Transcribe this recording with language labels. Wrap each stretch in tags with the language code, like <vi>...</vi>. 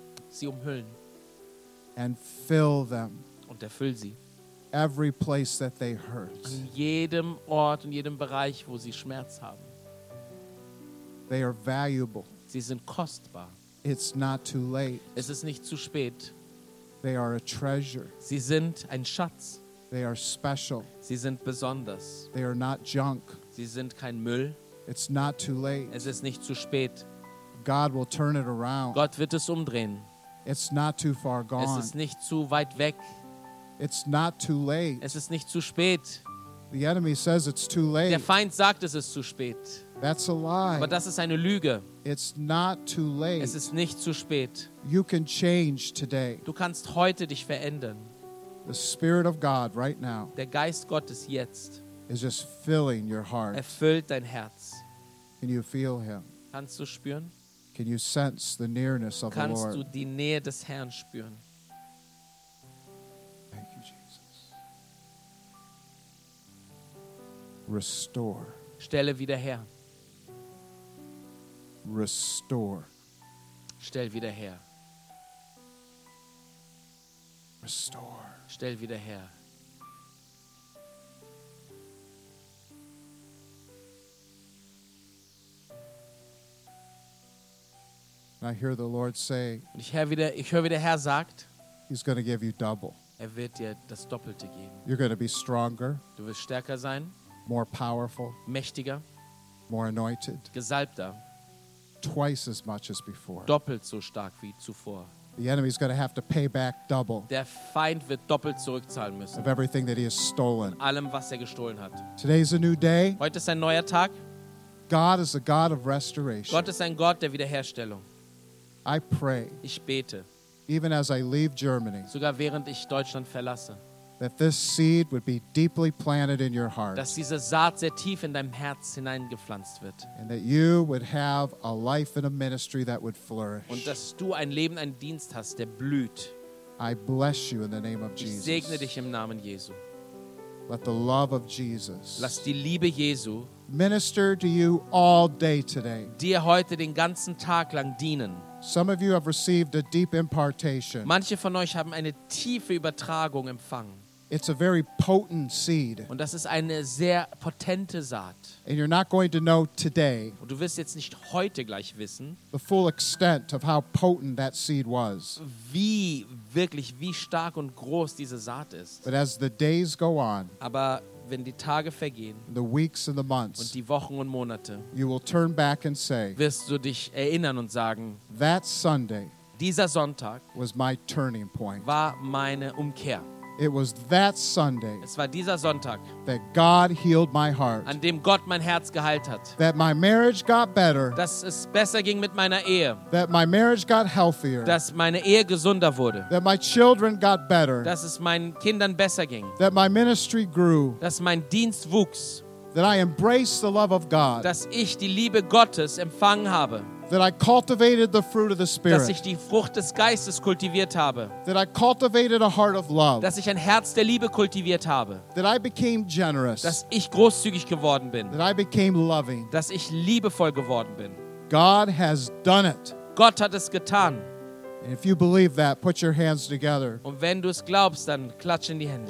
<de>Sie umhüllen.</de> <en>And fill them.</en> <de>Und erfüll sie.</de> <en>Every place that they hurt.</en> <de>An jedem Ort und jedem Bereich, wo sie Schmerz haben.</de> <en>They are valuable.</en> <de>Sie sind kostbar.</de> <en>It's not too late.</en> <de>Es ist nicht zu spät.</de> <en>They are a treasure.</en> <de>Sie sind ein Schatz.</de> <en>They are special.</en> <de>Sie sind besonders.</de> <en>They are not junk.</en> <de>Sie sind kein Müll.</de> <en>It's not too late.</en> <de>Es ist nicht zu spät.</de> <en>God will turn it around.</en> <de>Gott wird es umdrehen.</de> <en>It's not too far gone.</en> <de>Es ist nicht zu weit weg.</de> <en>It's not too late.</en> <de>Es ist nicht zu spät.</de> <en>The enemy says it's too late.</en> <de>Der Feind sagt, es ist zu spät.</de> <en>That's a lie.</en> <de>Aber das ist eine Lüge.</de> <en>It's not too late.</en> <de>Es ist nicht zu spät.</de> <en>You can change today.</en> <de>Du kannst heute dich verändern.</de> <en>The Spirit of God right now.</en> <de>Der Geist Gottes jetzt.</de> <en>Is just filling your heart.</en> <de>Erfüllt dein Herz.</de> <en>Can you feel him?</en> <de>Kannst du spüren?</de> <en>Can you sense the nearness of</en> <de>Kannst</de> <en>the Lord?</en> <de>Du die Nähe des Herrn spüren?</de> <en>Thank you, Jesus. Restore.</en> <de>Stelle wieder her.</de> <en>Restore.</en> <de>Stell wieder her.</de> <en>Restore.</en> <de>Stell wieder her.</de> <en>And I hear the Lord say,</en> <de>ich höre wieder, Herr sagt,</de> <en>he's going to give you double.</en> <de>Er wird dir das Doppelte geben.</de> <en>You're going to be stronger.</en> <de>Du wirst stärker sein.</de> <en>More powerful.</en> <de>Mächtiger.</de> <en>More anointed.</en> <de>Gesalbter.</de> <en>Twice as much as before.</en> <de>Doppelt so stark wie zuvor.</de> <en>The enemy's going to have to pay back double.</en> <de>Der Feind wird doppelt zurückzahlen müssen.</de> <en>Of everything that he has stolen.</en> <de>Von allem, was er gestohlen hat.</de> <en>Today's a new day.</en> <de>Heute ist ein neuer Tag.</de> <en>God is a God of restoration.</en> <de>Gott ist ein Gott der Wiederherstellung.</de> <en>I pray,</en> <de>ich bete,</de> <en>even as I leave Germany,</en> <de>sogar während ich Deutschland verlasse,</de> <en>that this seed would be deeply planted in your heart,</en> <de>dass diese Saat sehr tief in deinem Herz hineingepflanzt wird,</de> <en>and that you would have a life and a ministry that would flourish,</en> <de>und dass du ein Leben, einen Dienst hast, der blüht.</de> <en>I bless you in the name of Jesus.</en> <de>Ich segne dich im Namen Jesu.</de> <en>Let the love of Jesus,</en> <de>lass die Liebe Jesu,</de> <en>minister to you all day today,</en> <de>dir heute den ganzen Tag lang dienen.</de> <en>Some of you have received a deep impartation.</en> <de>Manche von euch haben eine tiefe Übertragung empfangen.</de> <en>It's a very potent seed.</en> <de>Und das ist eine sehr potente Saat.</de> <en>And you're not going to know today.</en> <de>Und du wirst jetzt nicht heute gleich wissen.</de> <en>The full extent of how potent that seed was.</en> <de>Wie stark und groß diese Saat ist.</de> <en>But as the days go on.</en> <de>Aber wenn die Tage vergehen.</de> <en>The weeks and the months.</en> <de>Und die Wochen und Monate.</de> <en>You will turn back and say.</en> <de>Wirst du dich erinnern und sagen.</de> <en>That Sunday.</en> <de>Dieser Sonntag.</de> <en>Was my turning point.</en> <de>War meine Umkehr.</de> <en>It was that Sunday.</en> <de>Es war dieser Sonntag.</de> <en>That God healed my heart.</en> <de>An dem Gott mein Herz geheilt hat.</de> <en>That my marriage got better.</en> <de>Dass es besser ging mit meiner Ehe.</de> <en>That my marriage got healthier.</en> <de>Dass meine Ehe gesünder wurde.</de> <en>That my children got better.</en> <de>Dass es meinen Kindern besser ging.</de> <en>That my ministry grew.</en> <de>Dass mein Dienst wuchs.</de> <en>That I embraced the love of God.</en> <de>Dass ich die Liebe Gottes empfangen habe.</de> <en>That I cultivated the fruit of the Spirit.</en> <de>Dass ich die Frucht des Geistes kultiviert habe.</de> <en>That I cultivated a heart of love.</en> <de>Dass ich ein Herz der Liebe kultiviert habe.</de> <en>That I became generous.</en> <de>Dass ich großzügig geworden bin.</de> <en>That I became loving.</en> <de>Dass ich liebevoll geworden bin.</de> <en>God has done it.</en> <de>Gott hat es getan.</de> <en>And if you believe that, put your hands together.</en> <de>Und wenn du es glaubst, dann klatsch in die Hände.</de>